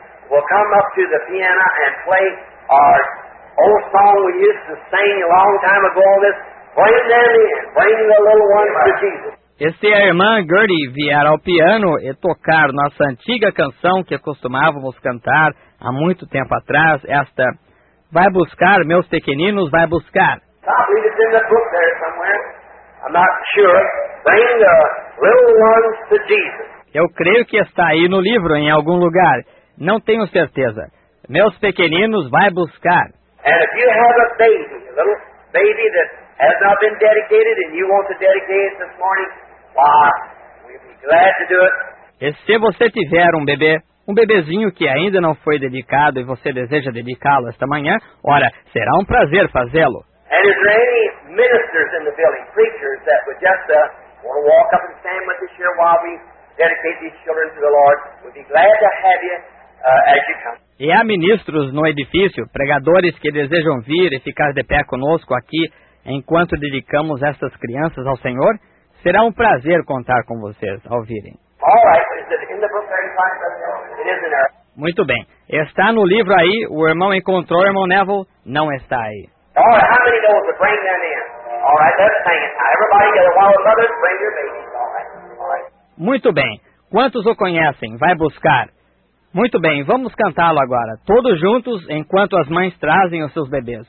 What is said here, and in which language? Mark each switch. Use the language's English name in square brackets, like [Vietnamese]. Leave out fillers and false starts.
[English] We'll come up to the piano and play our old song we used to sing a long time ago on this. Bring them in. Bring the little ones to Jesus. [Portuguese] E se a irmã Gertie vier ao piano e tocar nossa antiga canção que costumávamos cantar há muito tempo atrás, esta Vai Buscar, Meus Pequeninos, Vai Buscar. [English] I believe it's in the book there somewhere. I'm not sure. Bring the little ones to Jesus. [Portuguese] Eu creio que está aí no livro, em algum lugar. Não tenho certeza. Meus pequeninos, vai buscar. [English] And if you have a little baby that has not been dedicated and you want to dedicate it this morning, we'd be glad to do it. [Portuguese] E se você tiver um bebezinho que ainda não foi dedicado e você deseja dedicá-lo esta manhã, ora, será um prazer fazê-lo. [English] And is there any ministers in the building, preachers, that would just want to walk up and stand with us here while we dedicate these children to the Lord? We'd be glad to have you. [Portuguese] E há ministros no edifício, pregadores que desejam vir e ficar de pé conosco aqui enquanto dedicamos essas crianças ao Senhor? Será um prazer contar com vocês ao virem. [English] All right. Is it in the book 35? It is in there. [Portuguese] Muito bem. Está no livro aí, o irmão encontrou, o irmão Neville não está aí. [English] All right. How many knows to bring them in? All right. Let's sing it. Now everybody get a while with others, bring your babies. All right. All right. [Portuguese] Muito bem. Quantos o conhecem? Vai buscar. Muito bem, vamos cantá-lo agora, todos juntos, enquanto as mães trazem os seus bebês.